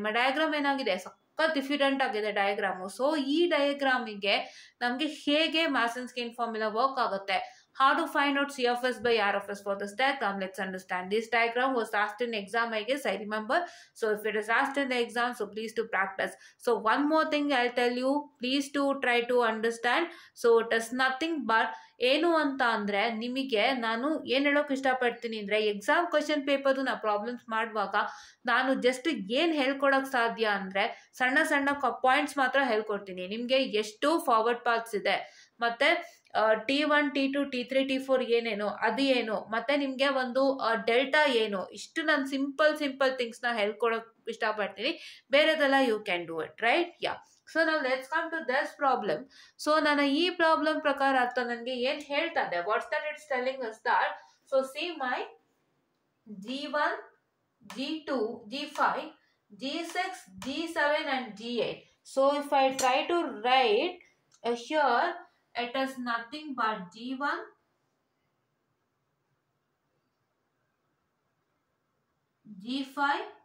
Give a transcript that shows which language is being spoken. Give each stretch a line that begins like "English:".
English: My diagram is different. Different
Kannada: agide
English: diagram. So, this diagram is
Kannada: namge hege
English: Mason-Skin formula work agutte. How to find out CFS by RFS for this diagram? Let's understand. This diagram was asked in exam, I guess, I remember. So if it is asked in the exam, so please do practice. So one more thing I'll tell you, please do try to understand. So it is nothing but
Kannada: ಏನು ಅಂತ ಅಂದ್ರೆ, ನಿಮಗೆ ನಾನು ಏನ್ ಹೇಳೋಕ್ ಇಷ್ಟಪಡ್ತೀನಿ ಅಂದ್ರೆ, exam question paper ನಾ ಪ್ರಾಬ್ಲಮ್ಸ್ ಮಾಡುವಾಗ ನಾನು ಜಸ್ಟ್ ಏನ್ ಹೇಳ್ಕೊಡಕ್ ಸಾಧ್ಯ ಅಂದ್ರೆ ಸಣ್ಣ ಸಣ್ಣ ಪಾಯಿಂಟ್ಸ್ ಮಾತ್ರ ಹೇಳ್ಕೊಡ್ತೀನಿ. ನಿಮ್ಗೆ ಎಷ್ಟು ಫಾರ್ವರ್ಡ್ ಪಾತ್ಸ್ ಇದೆ, ಮತ್ತೆ T1, T2, T3, T4 ಏನೇನು ಅದು ಏನು, ಮತ್ತೆ ನಿಮ್ಗೆ ಒಂದು ಡೆಲ್ಟಾ ಏನು, ಇಷ್ಟು ನಾನು ಸಿಂಪಲ್ ಸಿಂಪಲ್ ಥಿಂಗ್ಸ್ ನ ಹೇಳ್ಕೊಡಕ್ ಇಷ್ಟಪಡ್ತೀನಿ. ಬೇರೆದೆಲ್ಲ
English: You can do it, right? Yeah.
Kannada: So ನಾವು
English: Let's come to this problem.
Kannada: So ನಾನು ಈ ಪ್ರಾಬ್ಲಮ್ ಪ್ರಕಾರ ಅಂತ ನನಗೆ ಏನ್ ಹೇಳ್ತಾ ಇದೆ,
English: What's that it's telling us that. So see my G1, G2, G5, G6, G7 and G8. So if I try to write here, it is nothing but G1, G5.